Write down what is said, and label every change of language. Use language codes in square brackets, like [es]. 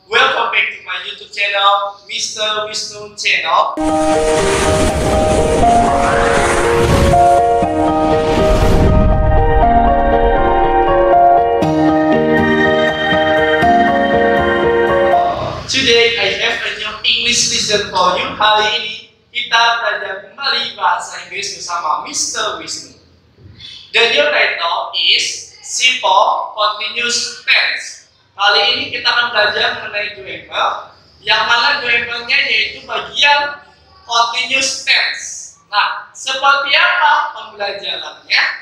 [en] Welcome back to my YouTube channel, Mr. Wisnu Channel. Today I have a new English lesson for you. [id] Hari ini kita belajar kembali bahasa Inggris bersama Mr. Wisnu. [en] The new title is Simple Continuous Tense. [id] Kali ini kita akan belajar mengenai grammar, yang mana grammarnya yaitu bagian continuous tense. Nah, seperti apa pembelajarannya?